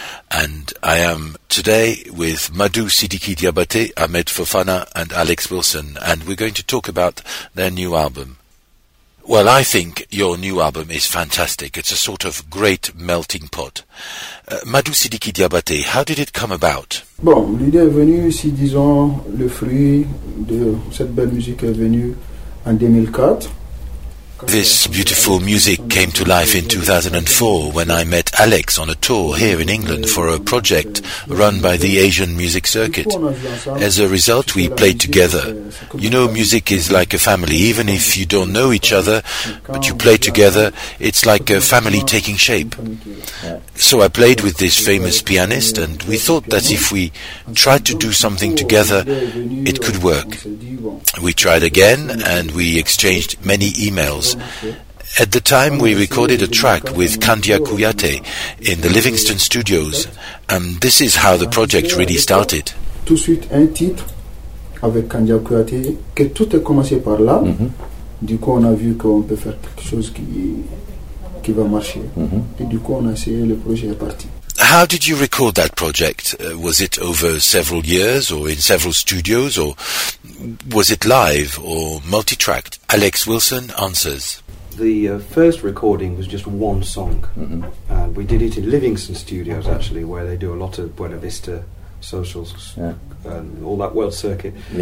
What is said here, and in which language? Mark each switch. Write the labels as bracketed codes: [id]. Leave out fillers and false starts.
[en] And I am today with Madu Sidiki Diabate, Ahmed Fofana, and Alex Wilson, and we're going to talk about their new album. Well, I think your new album is fantastic. It's a sort of great melting pot. Madu Sidiki Diabate, how did it come about? [fr] Bon, l'idée est venue, si disons, le fruit de cette belle musique est venue en 2004. [en] This beautiful music came to life in 2004 when I met Alex on a tour here in England for a project run by the Asian Music Circuit. As a result, we played together. You know, music is like a family. Even if you don't know each other, but you play together, it's like a family taking shape. So I played with this famous pianist, and we thought that if we tried to do something together, it could work. We tried again, and we exchanged many emails. At the time, we recorded a track with Kandia Kouyaté in the Livingston Studios, and this is how the project really started. [fr] Tout de suite, un titre avec Kandia Kouyaté, que tout a commencé par là. Du coup, on a vu qu'on peut faire quelque chose qui va marcher. Et du coup, on a essayé, le projet est parti. [en] How did you record that project? Was it over several years, or in several studios, or was it live, or multi-tracked? Alex Wilson answers. The first recording was just one song. We did it in Livingston Studios, actually, where they do a lot of Buena Vista socials and all that world circuit.